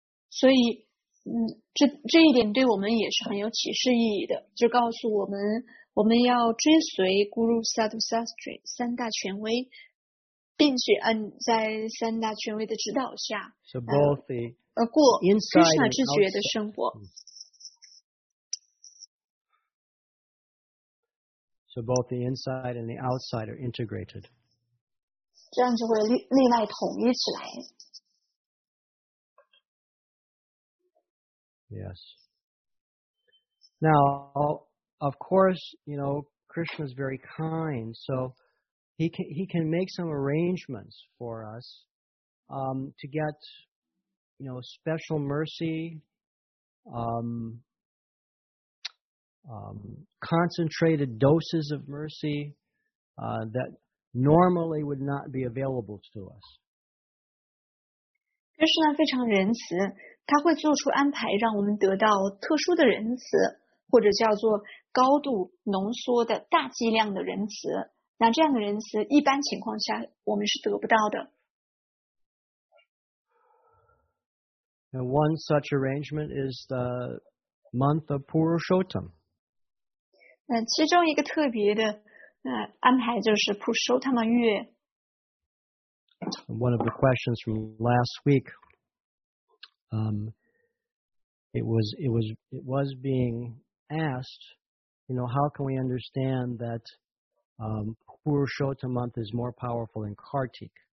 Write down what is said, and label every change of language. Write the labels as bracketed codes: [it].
[zh] 所以这一点对我们也是很有启示意义的，就告诉我们我们要追随 Guru Sadhu Shastri 三大权威，并且在三大权威的指导下， [en] so both the [zh] 过 Krishna 知觉的生活。 [en] So both the inside and the outside are integrated. [zh] 这样就会内外统一起来。 [en] Yes. Now, of course, Krishna is very kind, so he can make some arrangements for us to get, special mercy, concentrated doses of mercy that normally would not be available to us. [zh] Krishna 非常仁慈，他会做出安排让我们得到特殊的仁慈，或者叫做高度浓缩的大剂量的仁慈，那这样的仁慈一般情况下我们是得不到的。 [en] Now, one such arrangement is the month of Purushottam. [zh] 那其中一个特别的安排就是 Purushottam 月。 [en] One of the questions from last week,it was being asked, how can we understand that Purushottam month is more powerful than Kartik?